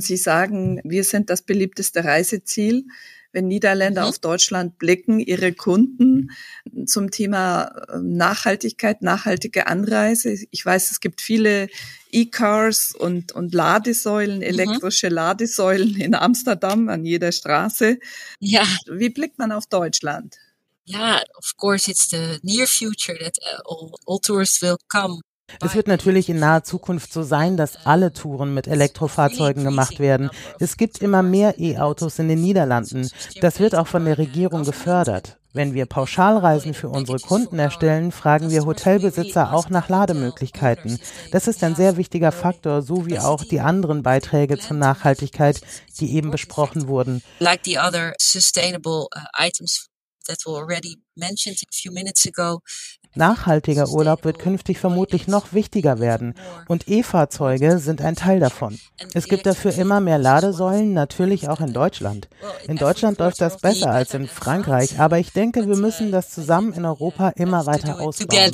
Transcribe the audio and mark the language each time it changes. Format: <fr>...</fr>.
<de>Sie sagen, wir sind das beliebteste Reiseziel. Wenn Niederländer auf Deutschland blicken, ihre Kunden zum Thema Nachhaltigkeit, nachhaltige Anreise. Ich weiß, es gibt viele E-Cars und Ladesäulen, elektrische Ladesäulen in Amsterdam an jeder Straße. Ja. Wie blickt man auf Deutschland?</de> <en>Ja, of course, it's the near future that all tourists will come.</en> <de>Es wird natürlich in naher Zukunft so sein, dass alle Touren mit Elektrofahrzeugen gemacht werden. Es gibt immer mehr E-Autos in den Niederlanden. Das wird auch von der Regierung gefördert. Wenn wir Pauschalreisen für unsere Kunden erstellen, fragen wir Hotelbesitzer auch nach Lademöglichkeiten. Das ist ein sehr wichtiger Faktor, so wie auch die anderen Beiträge zur Nachhaltigkeit, die eben besprochen wurden.</de> <en>Like the other sustainable items that were already mentioned a few minutes ago.</en> <de>Nachhaltiger Urlaub wird künftig vermutlich noch wichtiger werden und E-Fahrzeuge sind ein Teil davon. Es gibt dafür immer mehr Ladesäulen, natürlich auch in Deutschland. In Deutschland läuft das besser als in Frankreich, aber ich denke, wir müssen das zusammen in Europa immer weiter ausbauen.</de>